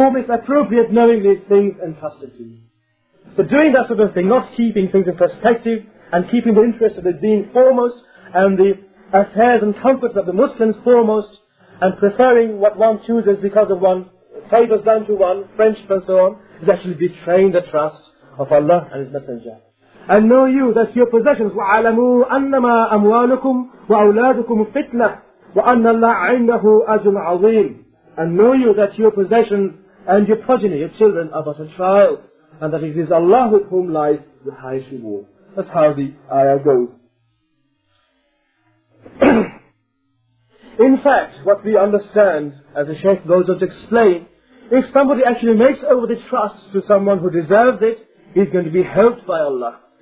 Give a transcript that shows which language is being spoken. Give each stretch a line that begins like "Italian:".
English: Nor misappropriate knowingly things entrusted to you." So doing that sort of thing, not keeping things in perspective, and keeping the interest of the deen foremost, and the affairs and comforts of the Muslims foremost, and preferring what one chooses because of one favors done to one, friendship and so on, is actually betraying the trust of Allah and His Messenger. "And know you that your possessions,
Arabic: وَعَلَمُوا أَنَّمَا أَمْوَالُكُمْ وَأَوْلَادُكُمْ فِتْنَةٌ وَأَنَّ اللَّهَ عِنْدَهُ أَجْرٌ عَظِيمٌ."
English: And know you that your possessions and your progeny, your children, are but a trial, and that it is Allah with whom lies the highest reward. That's how the ayah goes. In fact, what we understand, as the Shaykh goes on to explain, if somebody actually makes over the trust to someone who deserves it, he's going to be helped by Allah.